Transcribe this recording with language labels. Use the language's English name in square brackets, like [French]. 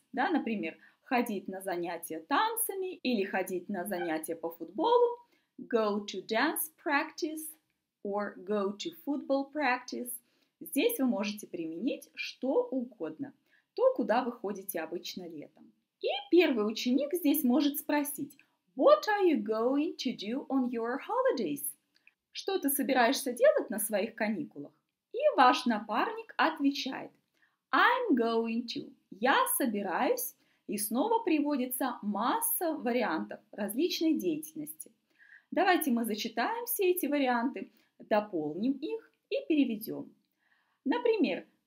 [Russian] Да, например, ходить на занятия танцами или ходить на занятия по футболу. [English] Go to dance practice or go to football practice. [Russian] Здесь вы можете применить что угодно. То, куда вы ходите обычно летом. И первый ученик здесь может спросить. [English] What are you going to do on your holidays? [Russian] Что ты собираешься делать на своих каникулах? И ваш напарник отвечает. [English] I'm going to. [Russian] Я собираюсь. И снова приводится масса вариантов различной деятельности. Давайте мы зачитаем все эти варианты, дополним их и переведем. Например,